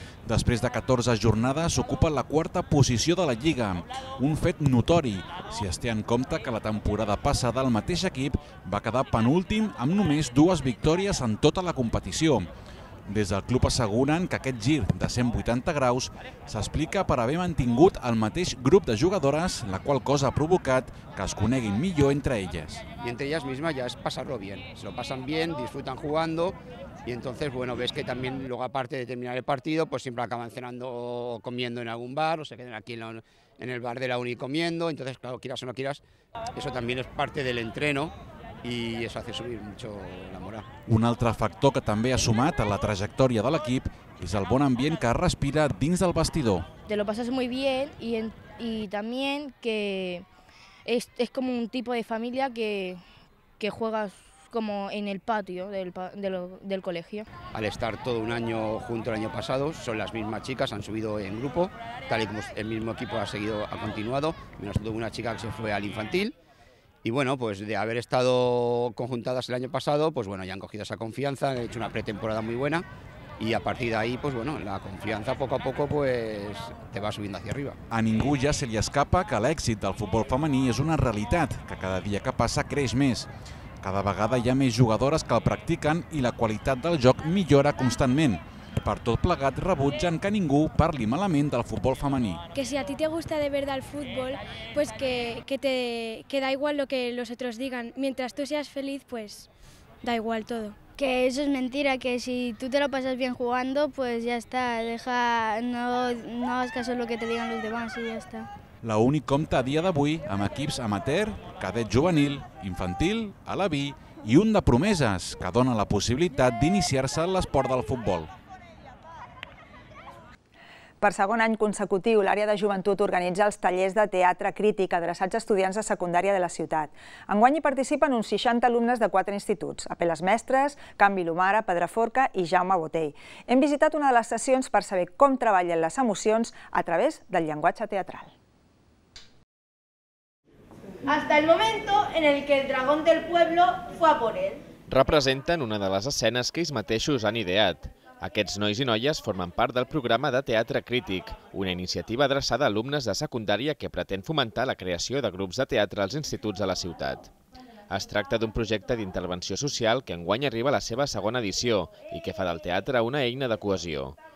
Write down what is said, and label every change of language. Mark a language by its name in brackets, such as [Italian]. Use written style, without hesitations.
[Catalan] Després de 14 jornades ocupa la quarta posició de la Lliga, un fet notori si es té en compte que la temporada passada el mateix equip va quedar penúltim amb només dues victòries en tota la competició. Des del club asseguren que aquest gir de 180 graus s'explica per haver mantingut el mateix grup de jugadores, la qual cosa ha provocat que es coneguin millor entre elles. [Spanish] Y entre ellas mismas ya es pasarlo bien, se lo pasan bien, disfrutan jugando y entonces, bueno, ves que también luego aparte de terminar el partido, pues siempre acaban cenando o comiendo en algún bar o se quedan aquí en el bar de la uni comiendo, entonces claro, quieras o no quieras, eso también es parte del entreno. [Catalan] I això fa subir [Spanish] mucho la moral. [Catalan] Un altre factor que també ha sumat a la trajectòria de l'equip és el bon ambient que es respira dins del vestidor. [Spanish] Te lo pasas muy bien y también que es como un tipo de familia que juegas como en el patio del colegio. Al estar todo un año junto el año pasado, son las mismas chicas, han subido en grupo, tal y como el mismo equipo ha continuado, menos tuvo una chica que se fue al infantil. Y bueno, pues de haber estado conjuntadas el año pasado, pues bueno, ya han cogido esa confianza, han hecho una pretemporada muy buena y a partir de ahí, pues bueno, la confianza poco a poco pues te va subiendo hacia arriba. [Catalan] A ningú ja se li escapa que l'èxit del futbol femení és una realitat que cada dia que passa creix més. Cada vegada hi ha més jugadores que el practiquen i la qualitat del joc millora constantment. Per tot plegat, rebutgen que ningú parli malament del futbol femení. [Spanish] Que si a ti te gusta de verdad el fútbol, pues que da igual lo que los otros digan. Mientras tú seas feliz, pues da igual todo. Que eso es mentira, que si tú te lo pasas bien jugando, pues ya está, deja, no hagas caso a lo que te digan los demás y ya está. [Catalan] La UNI compta a dia d'avui amb equips amateur, cadet juvenil, infantil, a la vi i un de promeses que dona la possibilitat d'iniciar-se en l'esport del futbol. Per segon any consecutiu, l'àrea de joventut organitza els tallers de teatre crític adreçats a estudiants de secundària de la ciutat. Enguany hi participen uns 60 alumnes de 4 instituts, Apel·les Mestres, Can Vilomara, Pedraforca i Jaume Botell. Hem visitat una de les sessions per saber com treballen les emocions a través del llenguatge teatral. [Spanish] Hasta el momento en el que el dragón del pueblo fue a por él. [Catalan] Representen una de les escenes que ells mateixos han ideat. Aquests nois i noies formen part del programa de Teatre Crític, una iniciativa adreçada a alumnes de secundària que pretén fomentar la creació de grups de teatre als instituts de la ciutat. Es tracta d'un projecte d'intervenció social que enguany arriba a la seva segona edició i que fa del teatre una eina de cohesió.